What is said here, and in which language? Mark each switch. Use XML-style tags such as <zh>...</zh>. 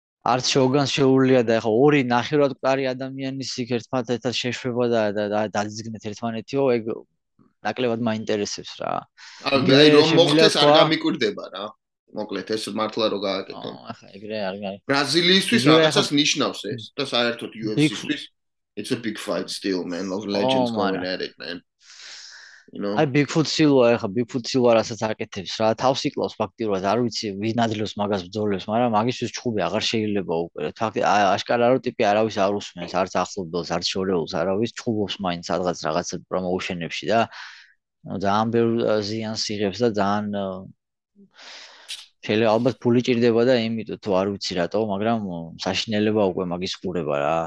<ka>არც შოგანს შეუძლია და ეხა ორი ნახევრად მკვარი ადამიანის იქ ერთმანეთთან შეშვება და დაძიგნეთ ერთმანეთიო, ეგ ნაკლებად მაინტერესებს რა. აი რომ მოხდეს არ გამიკვირდება რა. მოკლედ ეს მართლა რო გააკეთო. აჰა, ეგრე არ გაიგე. ბრაზილიისთვის რაღაცას ნიშნავს ეს და საერთოდ UFC-სთვის.</ka> <en>It's a big fight still, man. Those legends coming at it, man. You know,</en> <ka>აი ბიგფუტ სილვა, ეხა ბიგფუტ სილვა რასაც აკეთებს რა, თავს იკლავს ფაქტიურად, არ ვიცი ვინაძლევს მაგას ბძოლებს, მაგრამ მაგისთვის ჩხუბი აღარ შეიძლება უკვე. ფაქტი აშკარა რო ტიპი არავის არ უსმენს, არც ახლობელს, არც შორეულს, არავის ჩხუბობს მაინც სადღაც რაღაც პრომოუშენებში და ძალიან ბევრ ზიანს იღებს და ძალიან შეიძლება ალბათ ფული ჭირდება და იმიტომ თუ არ ვიცი რატო, მაგრამ საშინელება უკვე მაგის ხურება რა.</ka>